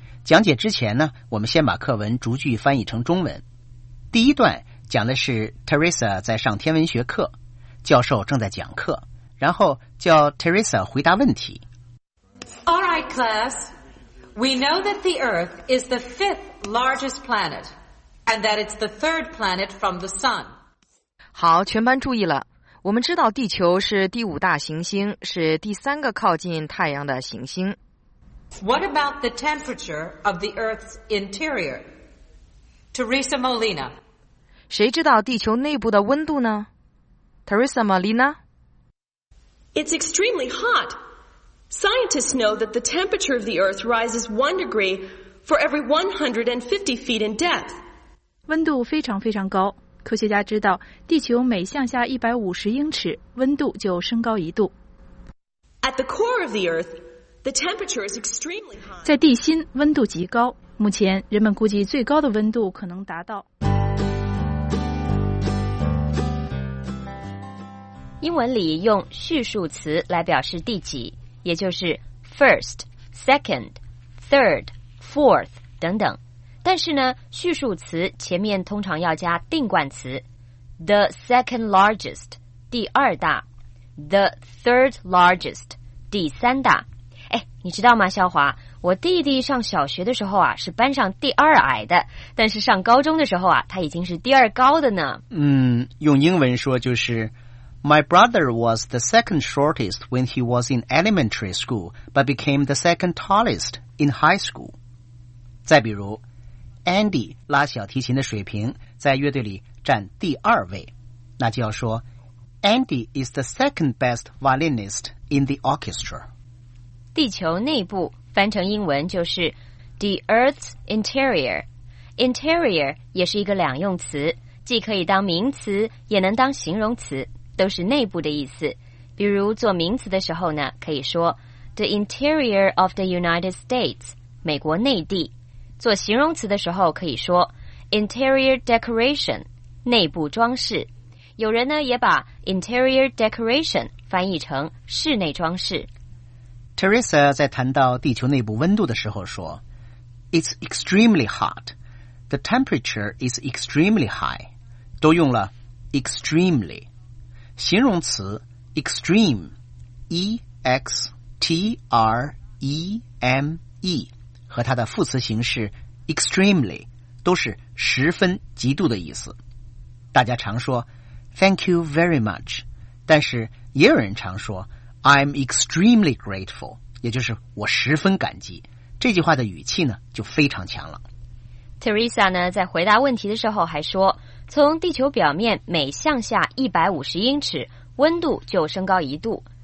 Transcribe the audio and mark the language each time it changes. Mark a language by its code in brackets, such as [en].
[zh] 讲解之前呢，我们先把课文逐句翻译成中文。第一段讲的是 Teresa 在上天文学课，教授正在讲课，然后叫 Teresa 回答问题。 [en] All right, class. We know that the Earth is the fifth largest planet, and that it's the third planet from the sun. [zh] 好，全班注意了。我们知道地球是第五大行星，是第三个靠近太阳的行星。 [en] What about the temperature of the Earth's interior? Teresa Molina. [zh] 谁知道地球内部的温度呢? [en] Teresa Molina? It's extremely hot. Scientists know that the temperature of the Earth rises 1 degree for every 150 feet in depth. [zh] 温度非常非常高。科学家知道地球每向下150英尺,温度就升高一度。 [en] At the core of the Earth,The temperature is extremely high. [zh] 在地心温度极高，目前人们估计最高的温度可能达到。英文里用序数词来表示第几，也就是 [en] first, second, third, fourth [zh] 等等。但是呢，序数词前面通常要加定冠词 ， [en] the second largest [zh] 第二大 ， [en] the third largest [zh] 第三大。哎，你知道吗，肖华，我弟弟上小学的时候啊，是班上第二矮的，但是上高中的时候啊，他已经是第二高的呢。嗯，用英文说就是 [en] My brother was the second shortest when he was in elementary school, but became the second tallest in high school. [zh] 再比如 Andy 拉小提琴的水平在乐队里占第二位，那就要说 [en] Andy is the second best violinist in the orchestra. [zh] 地球内部翻成英文就是 [en] The Earth's Interior. [zh] Interior 也是一个两用词，既可以当名词也能当形容词，都是内部的意思。比如做名词的时候呢，可以说 [en] The Interior of the United States, [zh] 美国内地。做形容词的时候可以说 [en] Interior Decoration, [zh] 内部装饰。有人呢也把 [en] Interior Decoration [zh] 翻译成室内装饰。 Teresa 在谈到地球内部温度的时候说 [en] It's extremely hot. The temperature is extremely high. [zh] 都用了 extremely. 形容词 extreme, E-X-T-R-E-M-E, 和它的副词形式 extremely, 都是十分极度的意思。大家常说 [en] Thank you very much. [zh] 但是也有人常说 [en] I'm extremely grateful, [zh] 也就是我十分感激。这句话的语气呢就非常强了。 Teresa 呢在回答问题的时候还说，从地球表面每向下150英尺，温度就升高一度。